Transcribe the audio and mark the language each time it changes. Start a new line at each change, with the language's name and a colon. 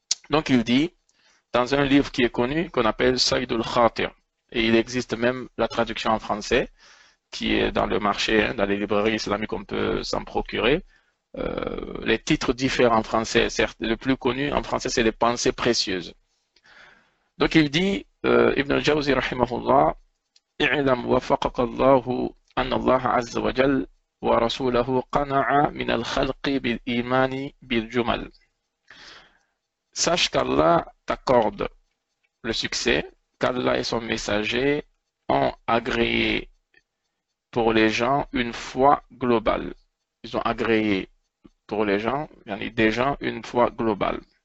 French: Donc, il dit, dans un livre qui est connu, qu'on appelle « Sayyid al-Khatir », et il existe même la traduction en français qui est dans le marché, hein, dans les librairies islamiques, on peut s'en procurer. Les titres diffèrent en français. Certes, le plus connu en français, c'est les pensées précieuses. Donc il dit,
Arabic: Ibn al-Jawzi, rahimahullah, اعلم وفقك الله أن الله عز وجل ورسوله قنع من الخلق بالإيمان بالجمل.
French: Sache qu'Allah t'accorde le succès, qu'Allah et son messager ont agréé pour les gens une foi globale. Ils ont agréé pour les gens, il y en a des gens, une foi globale.